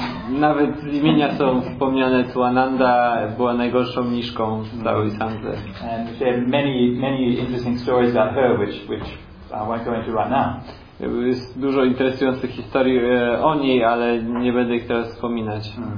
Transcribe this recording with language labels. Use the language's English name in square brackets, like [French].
[Polish] Nawet z imienia są wspomniane, Tulananda była najgorszą mniszką w całej Sangze. [English] And there are many, many interesting stories about her, which I won't go into right now. [Polish] Jest dużo interesujących historii o niej, ale nie będę ich teraz wspominać.